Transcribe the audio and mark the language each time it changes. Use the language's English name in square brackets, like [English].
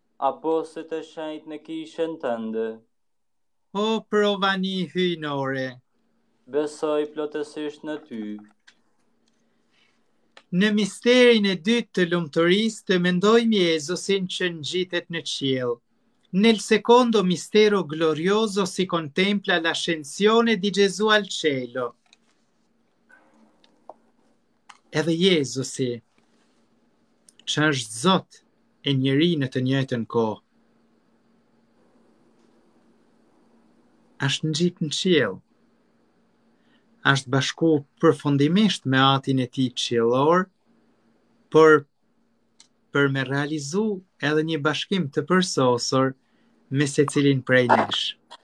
[Albanian] apostët e shenjt në kishën tënde. O provani hyjnore, besoj plotësisht në ty. Në misterin e dytë të lumturisë të mendojmë Jezusin që ngjitet në qiell. [Italian] Nel secondo mistero glorioso si contempla l'ascensione di Gesù al cielo. [Albanian] Edhe Jezusi, që është Zot e njeri në të njëjtën kohë, është ngjitur në qiell, është bashkuar përfundimisht me Atin e Tij qiellor, por me realizu edhe një bashkim të përsosur me se cilin prej nesh.